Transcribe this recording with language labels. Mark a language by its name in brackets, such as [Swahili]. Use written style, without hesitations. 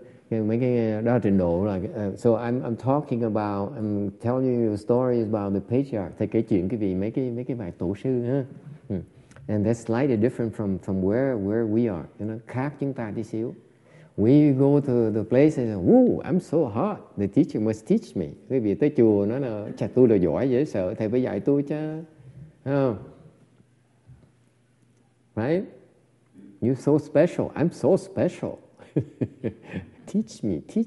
[English] So I'm talking about, I'm telling you a story about the patriarch. [Vietnamese] Thầy kể chuyện quý vị mấy cái bài tổ sư. [English] And that's slightly different from where we are. You know, [Vietnamese] khác chúng ta đi xíu. [English] We go to the place and say, "Whoa, I'm so hot. The teacher must teach me." [Vietnamese] Quý vị tới chùa nói là, "Chà, tôi là giỏi dễ sợ, thầy phải dạy tôi chứ." [English] Right? You're so special. I'm so special. teach me.